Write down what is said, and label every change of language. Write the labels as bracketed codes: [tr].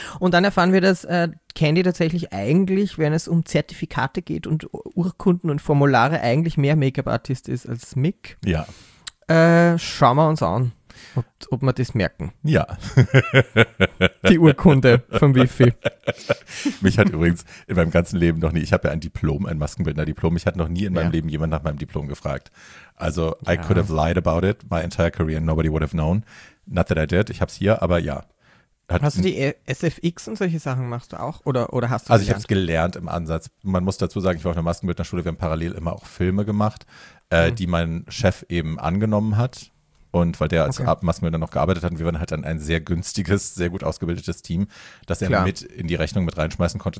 [de] Und dann erfahren wir, dass Candy tatsächlich eigentlich, wenn es um Zertifikate geht und Urkunden und Formulare, eigentlich mehr Make-up-Artist ist als Mick. Ja. Schauen wir uns an, ob wir das merken. Ja. Die Urkunde vom Wifi. Mich hat übrigens in meinem ganzen Leben noch nie, ich habe ja ein Diplom, ein Maskenbildner-Diplom, mich hat noch nie in meinem Leben jemand nach meinem Diplom gefragt. [en] Also, I could have lied about it my entire career and nobody would have known. Not that I did, [de] ich habe es hier, aber ja. Hast du die SFX und solche Sachen machst du auch? Oder hast du gelernt? Also, ich habe es gelernt im Ansatz. Man muss dazu sagen, ich war auf einer Maskenbildner-Schule, wir haben parallel immer auch Filme gemacht, die mein Chef eben angenommen hat. Und weil der als Maskenbildner noch gearbeitet hat, und wir waren halt dann ein sehr günstiges, sehr gut ausgebildetes Team, das er mit in die Rechnung mit reinschmeißen konnte.